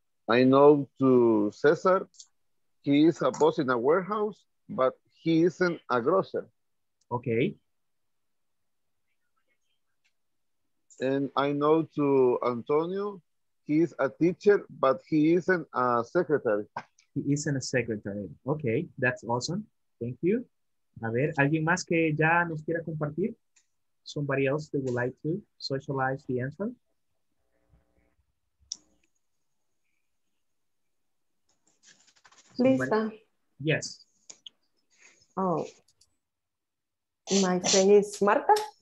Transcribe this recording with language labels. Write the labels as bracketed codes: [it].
[en] I know to César, he is a boss in a warehouse, but he isn't a grocer. Ok. And I know to Antonio, he is a teacher, but he isn't a secretary. He isn't a secretary. Ok, that's awesome. Thank you. [es] A ver, ¿alguien más que ya nos quiera compartir? [en] Somebody else that would like to socialize the answer? Lisa. Yes. Oh. My friend is Marta.